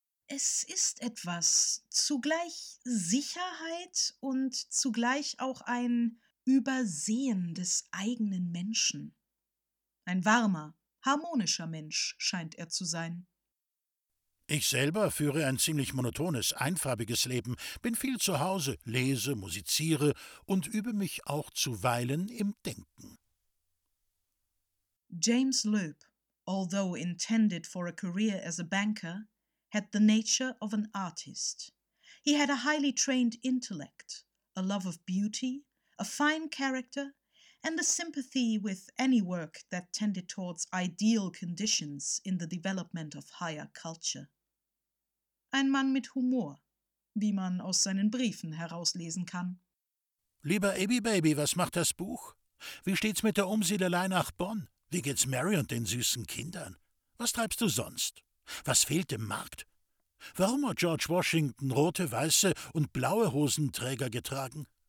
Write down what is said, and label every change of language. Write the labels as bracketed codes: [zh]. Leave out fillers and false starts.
[de] Es ist etwas, zugleich Sicherheit und zugleich auch ein Übersehen des eigenen Menschen. Ein warmer, Harmonischer Mensch scheint er zu sein. Ich selber führe ein ziemlich monotones, einfarbiges Leben, bin viel zu Hause, lese, musiziere und übe mich auch zuweilen im Denken. [en] James Loeb, although intended for a career as a banker, had the nature of an artist. He had a highly trained intellect, a love of beauty, a fine character, and a sympathy with any work that tended towards ideal conditions in the development of higher culture. [de] Ein Mann mit Humor, wie man aus seinen Briefen herauslesen kann. Lieber Abby Baby, was macht das Buch? Wie steht's mit der Umsiedelei nach Bonn? Wie geht's Mary und den süßen Kindern? Was treibst du sonst? Was fehlt dem Markt? Warum hat George Washington rote, weiße und blaue Hosenträger getragen?